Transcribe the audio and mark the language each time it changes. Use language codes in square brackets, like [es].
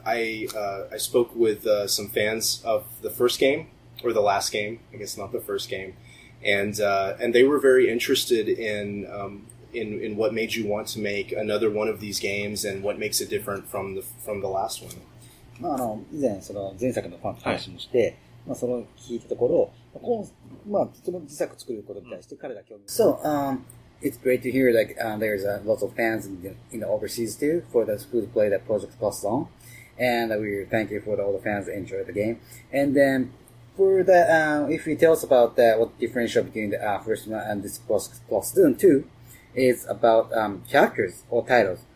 [en] I spoke with some fans of the first game, or the last game, I guess not the first game, and they were very interested in what made you want to make another one of these games and what makes it different from the last one. [ja] まあ、以前その前作のファンと話もして、はい、まあ、その聞いたところ、まあ、その自作作ることに対して彼が興味。 [en] So, It's great to hear, like, there's lots of fans in the overseas too for those who play that Project Cross Zone. And we thank you for all the fans that enjoy the game. And then for the, if you tell us about that, what differential between the first one and this Cross Zone 2 is about characters or titles.